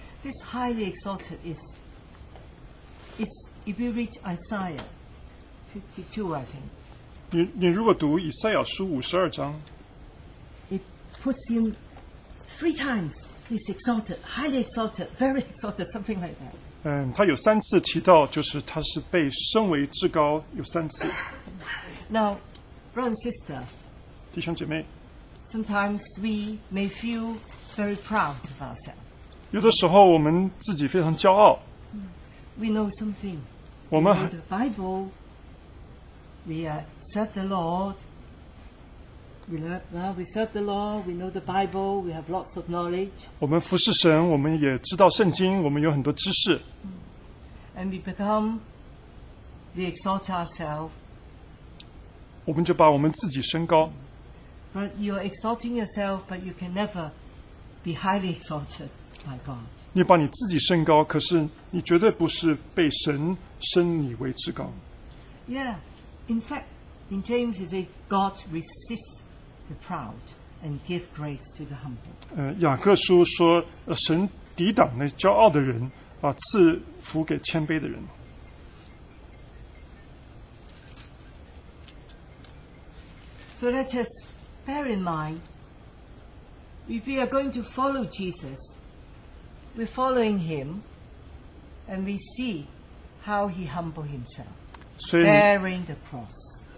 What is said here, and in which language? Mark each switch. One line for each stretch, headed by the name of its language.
English: This highly exalted is if you read Isaiah 52, I think.
Chinese: 你如果读以赛亚书52章,
English: it puts him three times. He's exalted, highly exalted, very exalted, something like that.
Chinese: 他有三次提到就是他是被升为至高, 有三次。
English: Now, brother and sister,
Chinese: 弟兄姐妹,
English: sometimes we may feel very proud of ourselves.
Chinese: 有的时候我们自己非常骄傲。
English: We know something. We know the Bible. We serve the Lord. We serve the law. We know the Bible. We have lots of knowledge.
Chinese: 我们服侍神, 我们也知道圣经, 我们有很多知识。
English: And we exalt ourselves.
Chinese: 我们就把我们自己升高。
English: But you are exalting yourself, but you can never be highly exalted by God.
Chinese: 你把你自己升高, 可是你绝对不是被神升你为至高。
English: Yeah, in fact, in James it says, God resists the proud and gives grace to the humble.
Chinese: 雅各书说, 神抵挡那骄傲的人, 赐福给谦卑的人。
English: So let us bear in mind, if we are going to follow Jesus, we're following him, and we see how he humbled himself, bearing the cross.